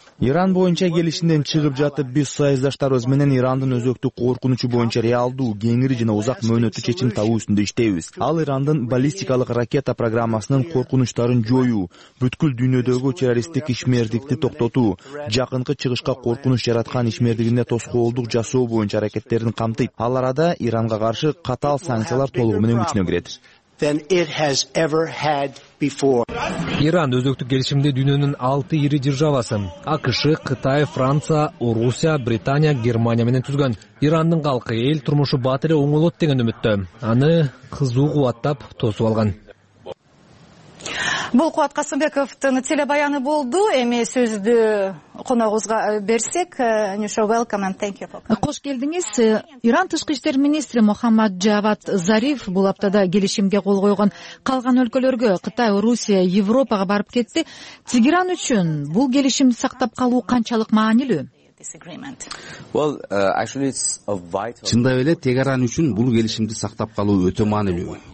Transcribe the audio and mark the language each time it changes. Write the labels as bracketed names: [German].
[Kyrgyz] Иран боюнча келишимден чыгып жатып, биз союздаштарыбыз менен Ирандын өзөктүк коркунучу боюнча реалдуу, кеңири жана узак мөөнөттүү чечим табуу үстүндө иштейбиз. Ал Ирандын баллистикалык ракета программасынын коркунучтарын жоюу, бүткүл дүйнөдөгү террористтик ишмердикти токтотуу, жакынкы чыгышка коркунуч жараткан ишмердигине тоскоолдук жасоо боюнча аракеттерин камтыйт. Ал арада Иранга каршы катаал санкциялар толугу менен күчүнө кирет. [English] Than it has ever had before. [Kyrgyz] Иран өзөктүк келишимде дүйнөнүн 6 ири державасы АКШ, Кытай, Франция, Орусия, Британия, Германия менен түзгөн. Ирандын калкы эл турмушу батыры оңолот деген үмүттө. Аны кызуу кубаттап тосуп алган. Бул Кубат Касымбековдун телебаяны болду. Эми сөздү коногубузга берсек, Нюша, [English] welcome and thank you for coming. [Kyrgyz] Кош келдиңиз. Иран тышкы иштер министри Мухаммад Джавад Зариф бул аптада келишимге кол койгон калган өлкөлөргө, Кытай, Орусия, Европага барып кетти. Тегеран үчүн бул келишимди сактап калуу канчалык маанилүү? Чындап эле Тегеран үчүн бул келишимди сактап калуу өтө маанилүү.